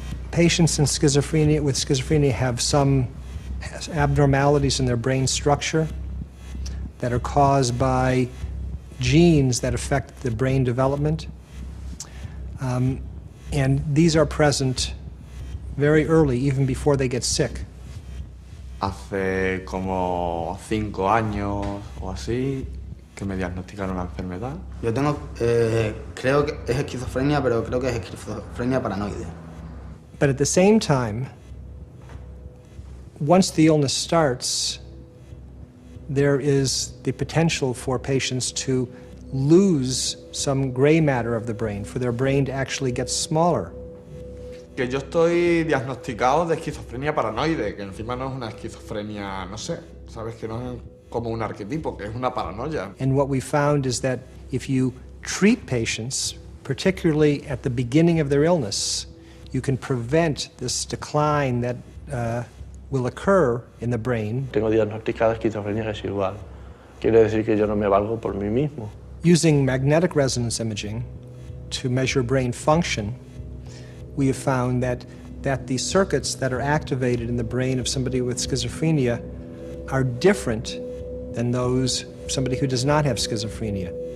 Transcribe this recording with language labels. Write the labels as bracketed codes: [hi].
[en] Patients in schizophrenia with schizophrenia have some abnormalities in their brain structure that are caused by genes that affect the brain development. And these are present very early, even before they get sick. [es] Hace como 5 años o así que me diagnosticaron la enfermedad. Yo tengo, creo que es esquizofrenia, pero creo que es esquizofrenia paranoide. [en] But at the same time, once the illness starts, there is the potential for patients to lose some gray matter of the brain, for their brain to actually get smaller. [es] Que yo estoy diagnosticado de esquizofrenia paranoide, que encima no es una esquizofrenia, no sé, sabes que no es como un arquetipo, que es una paranoia. [en] And what we found is that if you treat patients, particularly at the beginning of their illness, you can prevent this decline that will occur in the brain. [es] Tengo diagnosticada esquizofrenia residual. Quiere decir que yo no me valgo por mí mismo. [en] Using magnetic resonance imaging to measure brain function, we have found that the circuits that are activated in the brain of somebody with schizophrenia are different than those of somebody who does not have schizophrenia.